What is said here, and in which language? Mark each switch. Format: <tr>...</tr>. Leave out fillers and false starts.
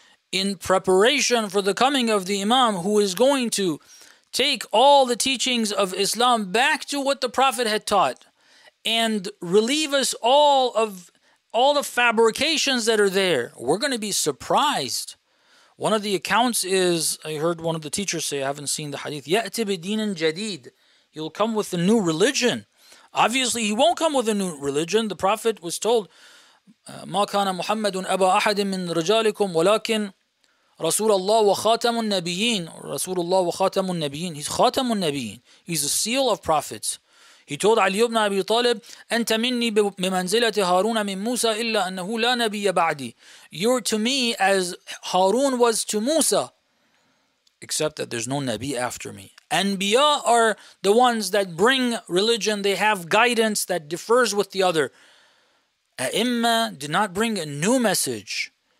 <en>In preparation for the coming of the Imam, who is going to take all the teachings of Islam back to what the Prophet had taught, and relieve us all of all the fabrications that are there, we're going to be surprised. One of the accounts is, I heard one of the teachers say, I haven't seen the hadith,</en> <ar>يَأْتِ بِدِينٍ جَدِيدٍ.</ar> <en>He'll come with a new religion. Obviously, he won't come with a new religion. The Prophet was told,</en> <ar>مَا كَانَ مُحَمَّدٌ أَبَا أَحَدٍ مِّن رَجَالِكُمْ وَلَكِنْ رَسُولَ اللَّهُ وَخَاتَمُ النَّبِيِّينَ. رَسُولَ اللَّهُ وَخَاتَمُ النَّبِيِّينَ. He's خَاتَمُ النَّبِيِّينَ.</ar> <en>He's a seal of prophets. He told Ali ibn Abi Talib,</en> <ar>أنت مني بمنزلة هارون من موسى إلا أنه لا نبي بعدي.</ar> <en>You're to me as Harun was to Musa, except that there's no Nabi after me. Anbiya are the ones that bring religion. They have guidance that differs with the other. A'imma did not bring a new message.</en>